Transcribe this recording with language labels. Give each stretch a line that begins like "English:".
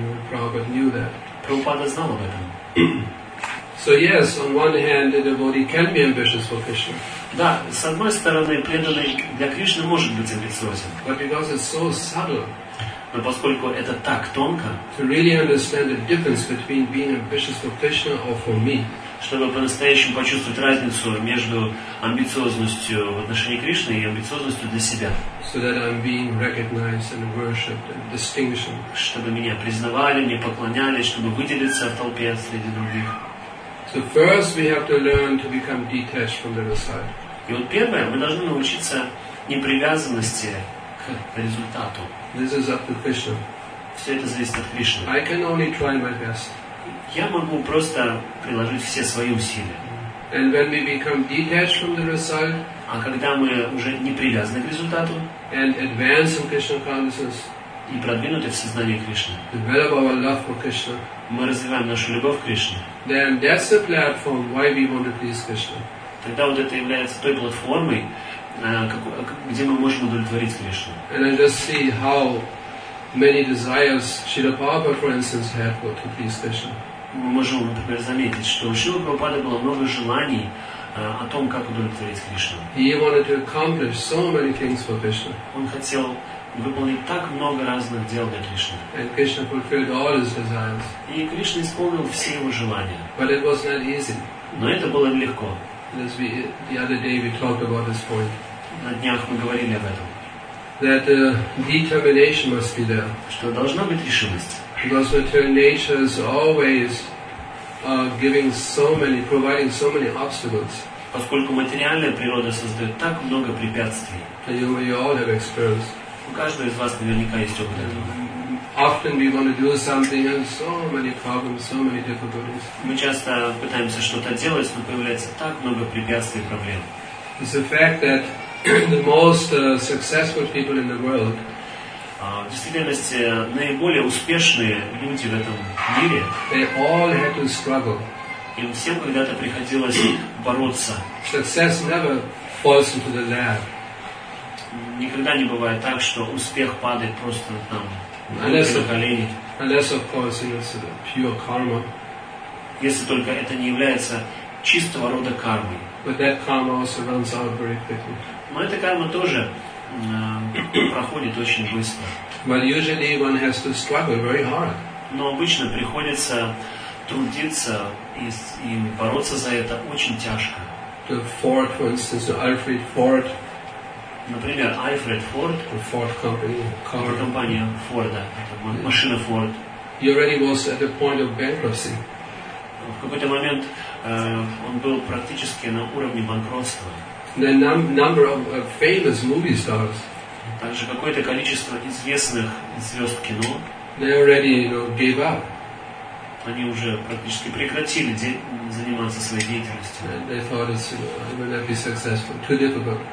English: Prabhupada knew that.
Russian: Прабхупада знал об этом.
English: So yes, on one hand, the devotee can be ambitious for Krishna.
Russian: Да, с одной стороны, преданный для Кришны может быть амбициозен.
English: But because it's so subtle.
Russian: Но поскольку это так тонко.
English: To really understand the difference between being ambitious for Krishna or for me.
Russian: Чтобы по-настоящему почувствовать разницу между амбициозностью в отношении Кришны и амбициозностью для себя.
English: So that I'm being recognized and worshipped and distinguished.
Russian: Чтобы меня признавали, мне поклонялись, чтобы выделиться в толпе среди других.
English: So first we have to learn to become detached from the result.
Russian: И вот первое, мы должны научиться непривязанности к результату.
English: This is up to Krishna.
Russian: Все это зависит от Кришны.
English: I can only try my best.
Russian: Я могу просто приложить все свои усилия.
English: And when we become detached from the result,
Russian: а когда мы уже не привязаны к результату,
English: and advance in Krishna consciousness,
Russian: и продвинуты в сознании Кришны,
English: develop our love for Krishna,
Russian: мы развиваем нашу любовь к Кришне.
English: Then that's the platform why we want to please Krishna.
Russian: Тогда вот это является той платформой, где мы можем удовлетворить Кришну.
English: And I just see how many desires Srila Prabhupada, for instance, had for to please Krishna.
Russian: Мы можем, например, заметить, что у Шрилы Прабхупады было много желаний о том, как удовлетворить Кришну.
English: He wanted to accomplish so many things for Krishna.
Russian: Он хотел выполнить так много разных дел для Кришны.
English: And Krishna fulfilled all his desires.
Russian: И Кришна исполнил все его желания.
English: But it was not easy.
Russian: Но это было нелегко.
English: As we, the other day we talked about this point.
Russian: На днях мы говорили об этом.
English: That determination must be there.
Russian: Что должна быть решимость.
English: Because material nature is always giving so many, providing so many obstacles.
Russian: Поскольку материальная природа создает так много препятствий.
English: And you all have experience.
Russian: У каждого из вас наверняка есть опыт этого.
English: Often we want to do something and so many problems, so many difficulties.
Russian: Мы часто пытаемся что-то делать, но появляется так много препятствий и проблем.
English: It's the fact that the most successful people in the world,
Russian: в действительности наиболее успешные люди в этом мире,
English: they all had to struggle.
Russian: Им всем когда-то приходилось бороться.
English: Success never falls into the lap.
Russian: Никогда не бывает так, что успех падает просто там, на колени.
English: Unless, of course, it's a pure karma.
Russian: Если только это не является чистого рода кармой.
English: But that karma also runs out very quickly.
Russian: Но эта карма тоже проходит очень быстро.
English: But usually one has to struggle very hard.
Russian: Но обычно приходится трудиться и бороться за это очень тяжко.
English: The Ford, for instance, Alfred Ford.
Russian: Например, Alfred Ford,
English: Ford company, car.
Russian: Компания Ford, машина Ford.
English: He already was at the point of bankruptcy.
Russian: В какой-то момент он был практически на уровне банкротства.
English: The number of famous movie stars.
Russian: Также какое-то количество известных звезд кино.
English: They already, you know, gave up.
Russian: Они уже практически прекратили заниматься своей деятельностью.